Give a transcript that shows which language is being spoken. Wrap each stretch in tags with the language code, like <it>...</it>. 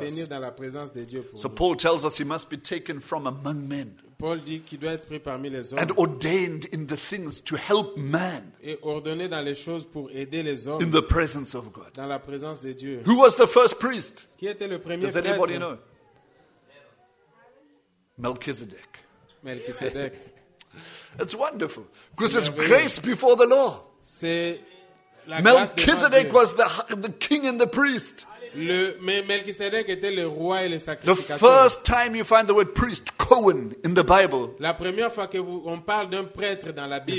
<fr>Pour se tenir dans la présence de Dieu pour</fr> <en>so nous. So Paul tells us he must be taken from among men.</en> <fr>Paul dit qu'il doit être pris parmi les hommes.</fr> <en>And ordained in the things to help man.</en> <fr>Et ordonné dans les choses pour aider les hommes.</fr> <en>In the presence of God.</en> <fr>Dans la présence de Dieu.</fr> <en>Who was the first priest?</en> <fr>Qui était le premier prêtre?</fr> <en>Does anybody know? Melchizedek.</en> <fr>Melchizedek.</fr> <en>It's wonderful. Because it's grace before the law.</en> <fr>C'est la Melchizedek grâce</fr> <en>was the king and the priest.</en> <fr>Melchizedek était le roi et le sacrificateur.</fr> <en>The first time you find the word priest, Cohen, in the Bible.</en> <fr>La première fois que vous on parle d'un prêtre dans la Bible.</fr>